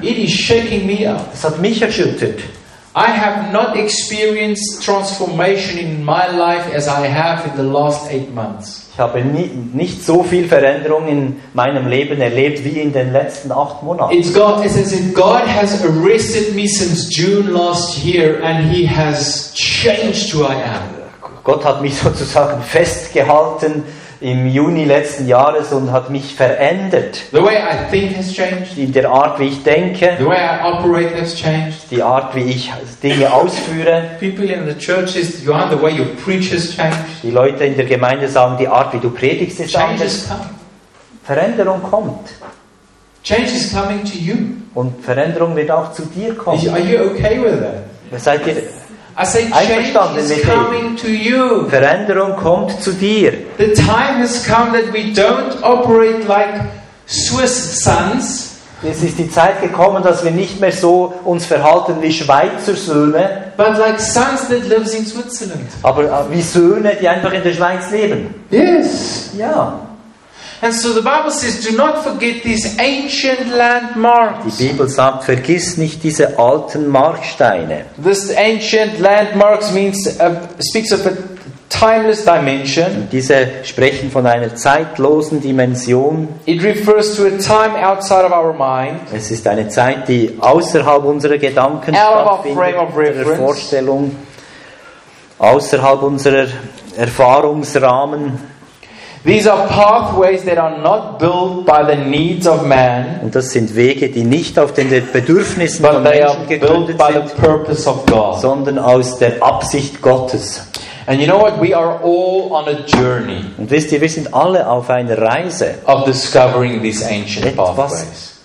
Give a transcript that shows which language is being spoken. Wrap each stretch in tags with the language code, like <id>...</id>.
<en>It is shaking me up.</en> <de>Es hat mich erschüttert.</de> <en>I have not experienced transformation in my life as I have in the last 8 months.</en> <de>Ich habe nicht so viel Veränderung in meinem Leben erlebt wie in den letzten 8 Monaten.</de> <en>It's God, it says, God has arrested me since June last year and he has changed who I am.</en> <de>Gott hat mich sozusagen festgehalten im Juni letzten Jahres und hat mich verändert.</de> <en>The way I think has changed.</en> <de>In der Art, wie ich denke.</de> <en>The way I operate has changed.</en> <de>Die Art, wie ich Dinge ausführe.</de> <en>People in the churches, Johann, the way you preach has changed.</en> <de>Die Leute in der Gemeinde sagen, die Art, wie du predigst, ist anders. Veränderung kommt.</de> <en>Change is coming to you.</en> <de>Und Veränderung wird auch zu dir kommen.</de> <en>Are you okay with that?</en> <de>Seid ihr...</de> <en>I say, change is coming to you.</en> <de>Veränderung kommt zu dir.</de> <en>The time has come that we don't operate like Swiss sons.</en> <de>Es ist die Zeit gekommen, dass wir nicht mehr so uns verhalten wie Schweizer Söhne.</de> <en>But like sons that live in Switzerland.</en> <de>Aber wie Söhne, die einfach in der Schweiz leben.</de> <en>Yes.</en> <de>Ja.</de> <en>And so the Bible says, do not forget these ancient landmarks.</en> <de>Die Bibel sagt, vergiss nicht diese alten Marksteine.</de> <en>This ancient landmarks means speaks of a timeless dimension.</en> <de>Diese sprechen von einer zeitlosen Dimension.</de> <en>It refers to a time outside of our mind.</en> <de>Es ist eine Zeit, die außerhalb unserer Gedanken stattfindet, Vorstellung, außerhalb unserer Erfahrungsrahmen.</de> <en>These are pathways that are not built by the needs of man.</en> <de>Und das sind Wege, die nicht auf den Bedürfnissen von Menschen gegründet sind,</de> <en>the purpose of God.</en> <de>Sondern aus der Absicht Gottes.</de> <en>And you know what? We are all on a journey.</en> <de>Und wisst ihr, wir sind alle auf einer Reise.</de> <en>Of discovering these ancient</en> <de>etwas</de> <en>pathways.</en>